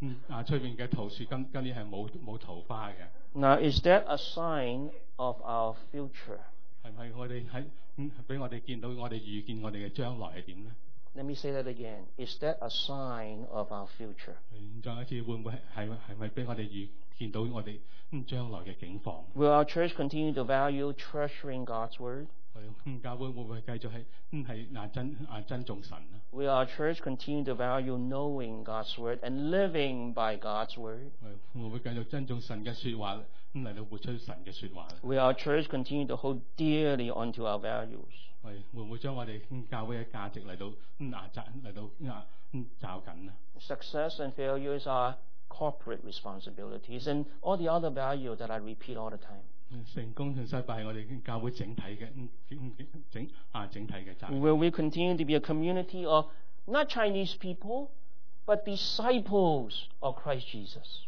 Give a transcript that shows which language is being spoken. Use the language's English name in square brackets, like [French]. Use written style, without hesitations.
[Chinese] 外面的桃树今年是没有桃花的。 [English] Now, is that a sign of our future? [Chinese] 是不是我们在，给我们见到我们预见我们的将来是怎样呢？ [English] Let me say that again. Is that a sign of our future? [Chinese] 再一次，会不会是不是给我们预见到我们将来的景况？ [English] Will our church continue to value treasuring God's word? [Chinese] 教会会不会继续珍重神？ [English] Will our church continue to value knowing God's word and living by God's word? [Chinese] 会不会继续珍重神的说话，来到活出神的说话？ [English] Will our church continue to hold dearly onto our values? [Chinese] 会不会将我们教会的价值来到抓紧呢？ [English] Success and failures are corporate responsibilities and all the other values that I repeat all the time. [Chinese] 成功和失败是我们教会整体的责任。 [English] Will we continue to be a community of not Chinese people but disciples of Christ Jesus?